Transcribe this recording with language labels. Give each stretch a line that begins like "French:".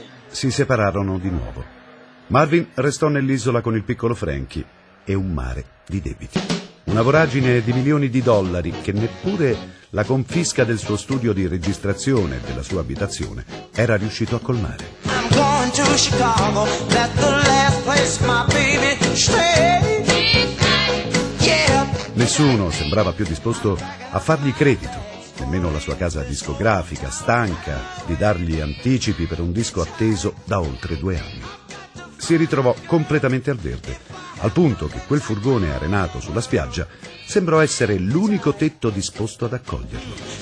Italian: Si separarono di nuovo. Marvin restò nell'isola con il piccolo Frankie e un mare di debiti. Una voragine di milioni di dollari che neppure la confisca del suo studio di registrazione e della sua abitazione era riuscito a colmare.
English: I'm going to Chicago, that's the last place my baby stay. Yeah.
Italian: Nessuno sembrava più disposto a fargli credito. Nemmeno la sua casa discografica, stanca di dargli anticipi per un disco atteso da oltre 2 anni. Si ritrovò completamente al verde, al punto che quel furgone arenato sulla spiaggia sembrò essere l'unico tetto disposto ad accoglierlo.